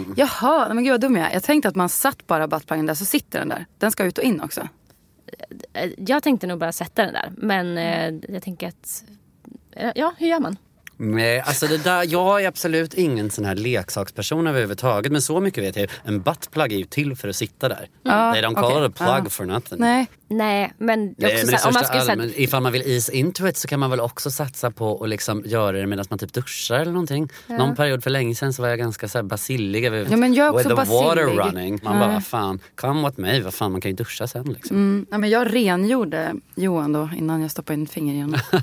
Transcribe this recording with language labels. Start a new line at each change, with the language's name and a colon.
Swedish: Jaha, men gud vad dum jag är. Jag tänkte att man satt bara buttplaggen där, så sitter den där. Den ska ut och in också. Jag tänkte nog bara sätta den där. Men jag tänker att... Ja, hur gör man? Nej, alltså det där, jag är absolut ingen sån här leksaksperson överhuvudtaget, men så mycket vet jag. En buttplug är ju till för att sitta där.
English: They don't call it a plug for nothing.
Swedish: Nej, men om man ska ifall man vill
English: ease into it,
Swedish: så kan man väl också satsa på att liksom göra det medan man typ duschar eller någonting. Ja. Någon period för länge sedan så var jag ganska så här basillig. Ja, men jag är också basillig.
English: Water running.
Swedish: Man bara, vad fan,
English: come with me,
Swedish: vad fan, man kan ju duscha sen liksom. Mm. Ja, men jag rengjorde Johan då innan jag stoppade in fingret igen.